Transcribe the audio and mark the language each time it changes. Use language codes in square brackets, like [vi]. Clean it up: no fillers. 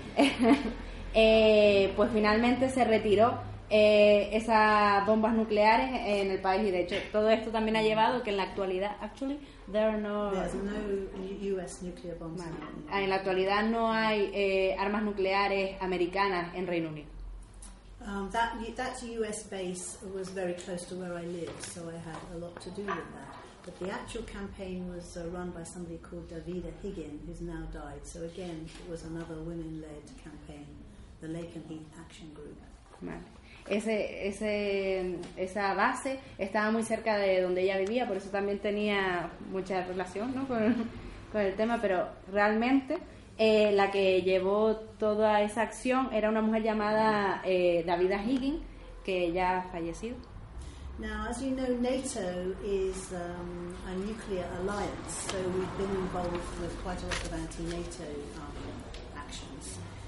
[es] Pues finalmente se retiró esas bombas nucleares en el país, y de hecho todo esto también ha llevado que en la actualidad actually [en] there's no US nuclear bombs. [es] En la actualidad no hay armas nucleares americanas en Reino Unido. [en] That US base was very close to where I live, so I had a lot to do with that. But the actual campaign was run by somebody called Davida Higgin, who's now died. So again, it was another women-led campaign, the Lake and Heath Action Group. [es] Vale. Esa base estaba muy cerca de donde ella vivía, por eso también tenía mucha relación, ¿no?, con el tema. Pero realmente la que llevó toda esa acción era una mujer llamada Davida Higgin, que ya ha fallecido. [en] Now, as you know, NATO is a nuclear alliance, so we've been involved with quite a lot of anti-NATO actions.